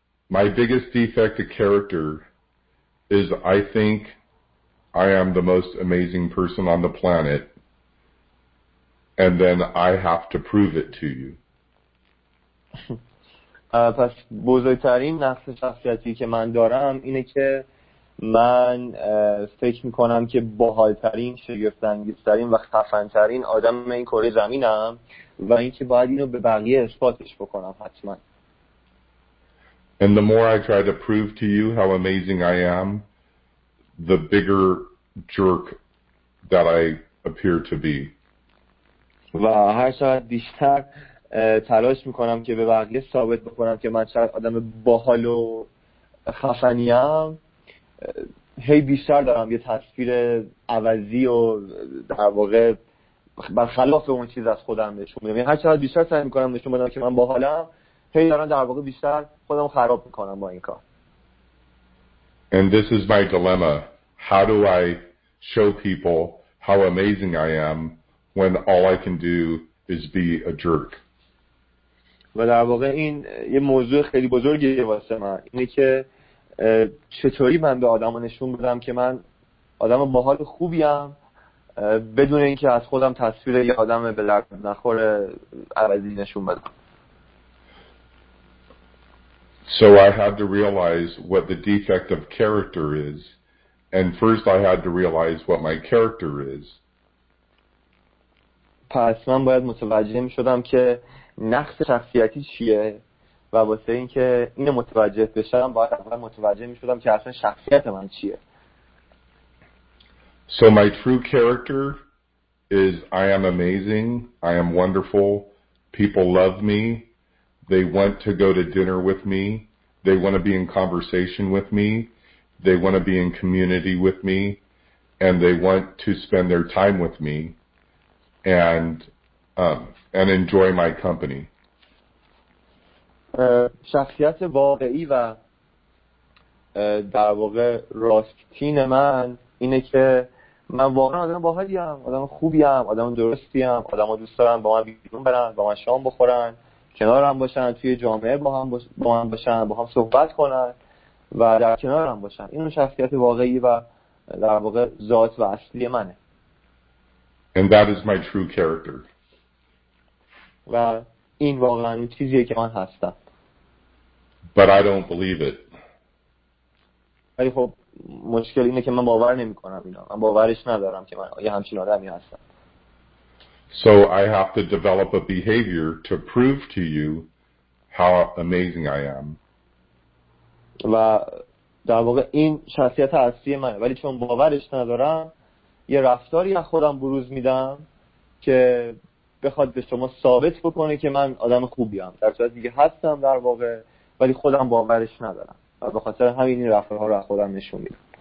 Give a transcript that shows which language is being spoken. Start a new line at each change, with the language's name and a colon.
English: My biggest defect of character is I think I am the most amazing person on the planet, and then I have to prove it to you.
Persian: پس بزرگترین نقص شخصیتی که من دارم اینه که من فکر میکنم که باحالترین، شگفت‌انگیزترین و خفن‌ترین آدم این کره زمینم و اینکه باید اینو به بقیه اثباتش بکنم حتما.
English: And the more I try to prove to you how amazing I am, the bigger jerk that I appear to be.
Persian: و هر ساعت بیشتر تلاش میکنم که به بقیه ثابت بکنم که من چقدر آدم باحال و خفنیم، هی بیشتر دارم یه تصویر عوضی و در واقع برخلاف اون چیز از خودم نشون میدم. هر چقدر بیشتر سعی میکنم نشون بدم که من باحالم، هی دارم در واقع بیشتر خودم خراب میکنم با این کار.
English: And this is my dilemma. How do I show people how amazing I am when all I can do is be a jerk?
Persian: و در واقع این یه موضوع خیلی بزرگیه واسه من، اینه که چطوری من به آدم نشون بدم که من آدم باحال خوبیم بدون اینکه از خودم تصویر یه آدم به لرد نخور عوضی نشون بدم.
English: So I had to realize what the defect of character is, and first I had to realize what my character is.
Persian: پس من باید متوجه می‌شدم که نقص شخصیتی چیه و واسه اینکه اینو متوجه بشم باید اول متوجه می‌شدم که اصلا شخصیت من چیه.
English: So my true character is I am amazing, I am wonderful, people love me, they want to go to dinner with me, they want to be in conversation with me, they want to be in community with me, and they want to spend their time with me and enjoy my company.
Persian: شخصیت واقعی و در واقع راستین من اینه که من واقعا آدم باحالیم، آدم خوبیم، آدم درستیم، آدم دوست دارن با من بیرون برن، با من شام بخورن، کنارم باشن، توی جامعه با هم باشن، با هم صحبت کنن و در کنارم باشن. این شخصیت واقعی و در واقع ذات و اصلی منه.
English: And that is my true character.
Persian: و این واقعا چیزیه که من هستم.
English: But I don't believe it.
Persian: ولی خب مشکل اینه که من باور نمی کنم اینا. من باورش ندارم که من یه همچین آدمی هستم.
English: So I have to develop a behavior to prove to you how amazing I am.
Persian: و در واقع این شخصیت اصلی منه، ولی چون باورش ندارم یه رفتاری از خودم بروز میدم که بخواد به شما ثابت بکنه که من آدم خوبیم. در صورت دیگه هستم در واقع، ولی خودم باورش ندارم و به خاطر همین این رفتارها رو از خودم نشون میدم.